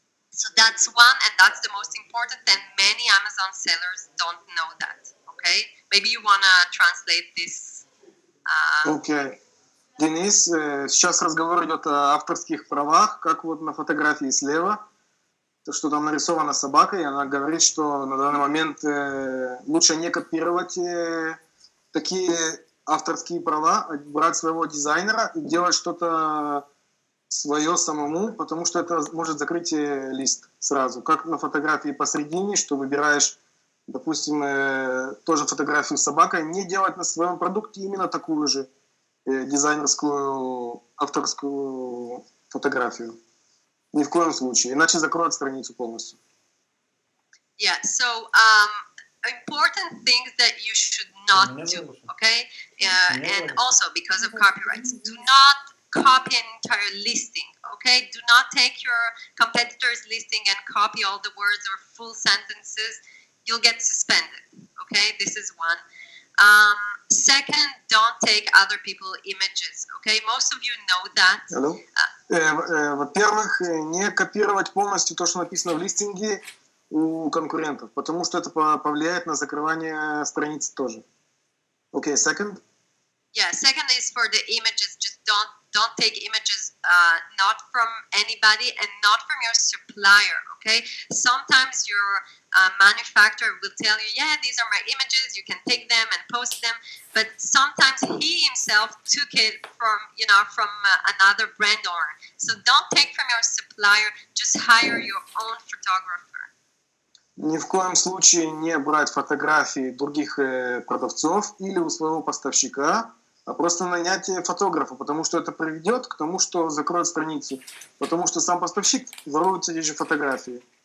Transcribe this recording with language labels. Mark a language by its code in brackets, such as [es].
[en] So that's one, and that's the most important, and many Amazon sellers don't know that, okay? Maybe you want to translate this. Okay. [ru] Денис, сейчас разговор идет о авторских правах, как вот на фотографии слева, то, что там нарисована собака, и она говорит, что на данный момент лучше не копировать такие авторские права, а брать своего дизайнера и делать что-то свое самому, потому что это может закрыть лист сразу. Как на фотографии посередине, что выбираешь, допустим, тоже фотографию с собакой, не делать на своем продукте именно такую же дизайнерскую, авторскую фотографию. Ни в коем случае. Иначе закроют страницу полностью. [en] Yeah, so important things that you should not do, okay? And also because of copyrights. Do not copy an entire listing, okay? Do not take your competitor's listing and copy all the words or full sentences. You'll get suspended, okay? This is one. Second, don't take other people images, okay? Most of you know that. Hello. [ru] Во-первых, не копировать полностью то, что написано в листинге у конкурентов, потому что это повлияет на закрывание страницы тоже. [en] Okay, second? Yeah, second is for the images. Just don't take images not from anybody and not from your supplier, okay? Sometimes your manufacturer will tell you, yeah, these are my images, you can take them and post them, but sometimes he himself took it from, you know, from another brand owner. So don't take from your supplier, just hire your own photographer. [ru] Ни в коем случае не брать фотографии других продавцов или у своего поставщика, а просто нанять фотографа, потому что это приведет к тому, что закроют страницу, потому что сам поставщик ворует эти же фотографии.